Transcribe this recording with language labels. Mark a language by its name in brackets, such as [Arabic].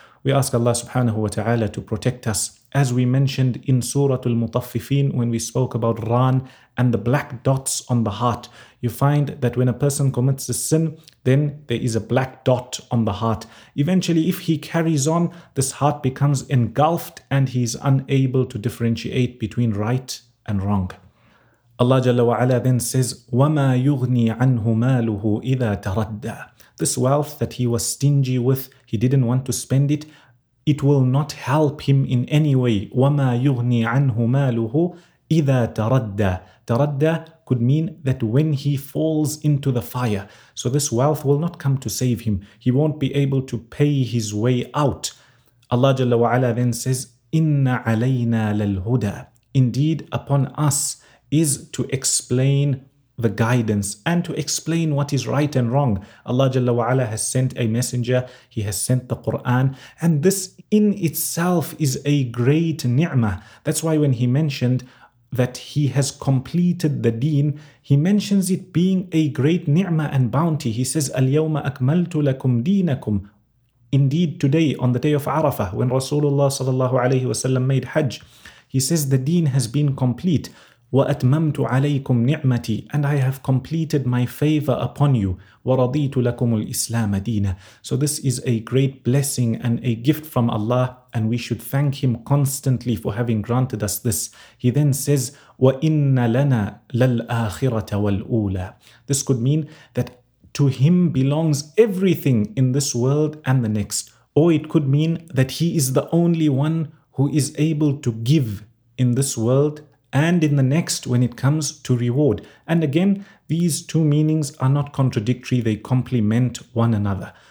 [English] We ask Allah subhanahu wa ta'ala to protect us. As we mentioned in Surah Al-Mutaffifin, when we spoke about Ran and the black dots on the heart, you find that when a person commits a sin, then there is a black dot on the heart. Eventually, if he carries on, this heart becomes engulfed and he is unable to differentiate between right and wrong. Allah Jalla wa'ala then says, [Arabic] وَمَا يُغْنِي عَنْهُ مَالُهُ إِذَا تَرَدَّى. [English] This wealth that he was stingy with, he didn't want to spend it, it will not help him in any way. [Arabic] وَمَا يُغْنِي عَنْهُ مَالُهُ إِذَا تَرَدَّى. [English] تَرَدَّى could mean that when he falls into the fire. So this wealth will not come to save him. He won't be able to pay his way out. Allah Jalla wa'ala then says, [Arabic] إِنَّ عَلَيْنَا لَلْهُدَى. [English] Indeed, upon us is to explain the guidance and to explain what is right and wrong. Allah Jalla wa'ala has sent a messenger, he has sent the Quran, and this in itself is a great ni'mah. That's why when he mentioned that he has completed the deen, he mentions it being a great ni'mah and bounty. He says, [Arabic] Al-yawma akmaltu lakum deenakum. [English] Indeed, today on the day of Arafah, when Rasulullah sallallahu alayhi wasallam made Hajj, he says the deen has been complete. [Arabic] وَأَتْمَمْتُ عَلَيْكُمْ نِعْمَتِي. [English] And I have completed my favor upon you. [Arabic] وَرَضِيتُ لَكُمُ الْإِسْلَامَ دِينَ. [English] So this is a great blessing and a gift from Allah, and we should thank him constantly for having granted us this. He then says, [Arabic] وَإِنَّ لَنَا لَلْآخِرَةَ وَالْأُولَى. [English] This could mean that to him belongs everything in this world and the next. Or it could mean that he is the only one who is able to give in this world and in the next when it comes to reward. And again, these two meanings are not contradictory, they complement one another.